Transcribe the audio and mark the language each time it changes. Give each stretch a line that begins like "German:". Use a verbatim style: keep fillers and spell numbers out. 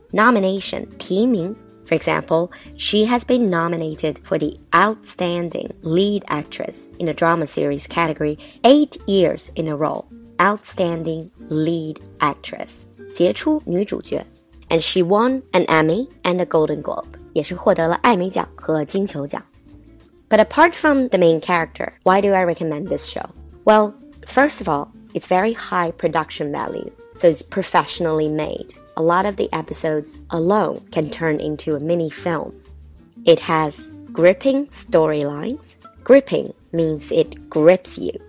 English: Nomination, 提名. For example, she has been nominated for the Outstanding Lead Actress in a Drama Series category eight years in a row. Outstanding Lead Actress.
Chinese: 杰出女主角.
English: And she won an Emmy and a Golden Globe.
Chinese: 也是获得了艾美奖和金球奖。
English: But apart from the main character, why do I recommend this show? Well, first of all, it's very high production value, so it's professionally made. A lot of the episodes alone can turn into a mini film. It has gripping storylines. Gripping means it grips you.